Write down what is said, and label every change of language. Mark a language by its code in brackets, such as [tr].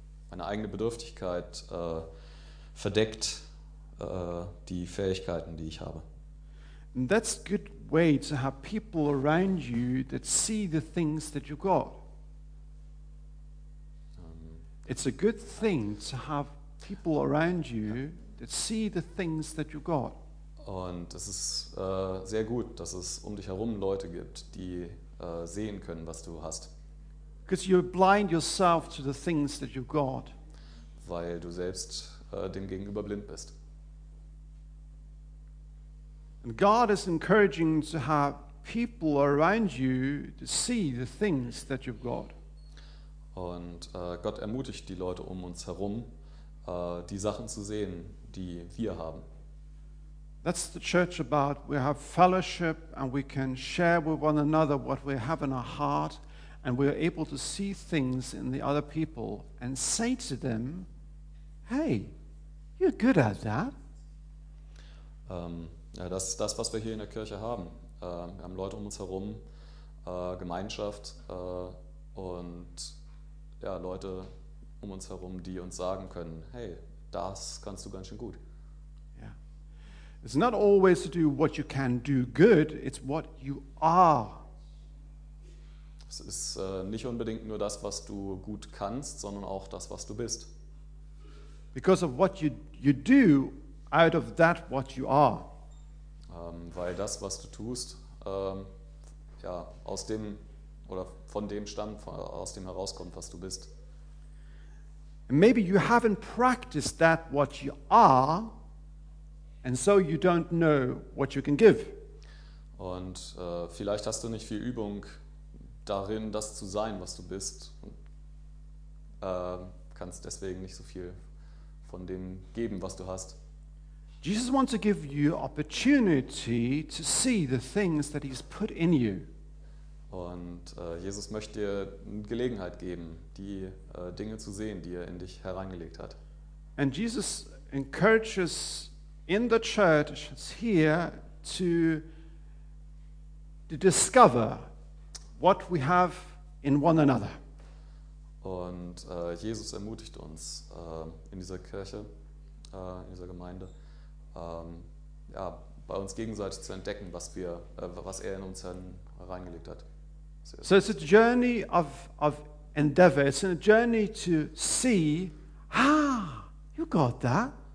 [de] Meine eigene Bedürftigkeit verdeckt die Fähigkeiten, die ich habe. [en] And that's a good way to have people around you that see the things that you got. It's a good thing to have people around you that see the things that you got. [de] Und es ist sehr gut, dass es um dich herum Leute gibt, die sehen können, was du hast. [en] Because you blind yourself to the things that you got. [de] Weil du selbst dem Gegenüber blind bist. [en] And God is encouraging to have people around you to see the things that you've got. [de] Und Gott ermutigt die Leute um uns herum, die Sachen zu sehen, die wir haben. [en] That's the church about. We have fellowship and we can share with one another what we have in our heart, and we are able to see things in the other people and say to them, hey, you're good at that. [de] Ja, das ist das, was wir hier in der Kirche haben. Wir haben Leute um uns herum, Gemeinschaft und ja, Leute um uns herum, die uns sagen können, hey, das kannst du ganz schön gut. [en] Yeah. It's not always to do what you can do good, it's what you are. [de] Es ist nicht unbedingt nur das, was du gut kannst, sondern auch das, was du bist. [en] Because of what you do out of that what you are. [de] Weil das, was du tust, aus dem oder von dem stammt, aus dem herauskommt, was du bist. [en] Maybe you haven't practiced that what you are, and so you don't know what you can give. [de] Und vielleicht hast du nicht viel Übung darin, das zu sein, was du bist, und kannst deswegen nicht so viel von dem geben, was du hast. [en] Jesus wants to give you opportunity to see the things that he's put in you. [de] Und Jesus möchte dir eine Gelegenheit geben, die Dinge zu sehen, die er in dich hereingelegt hat. [en] And Jesus encourages in the church here to discover what we have in one another. [de] Und Jesus ermutigt uns in dieser Kirche, in dieser Gemeinde, bei uns gegenseitig zu entdecken, was er in uns hereingelegt hat. [en] So it's a journey of endeavor. It's a journey to see, you got that.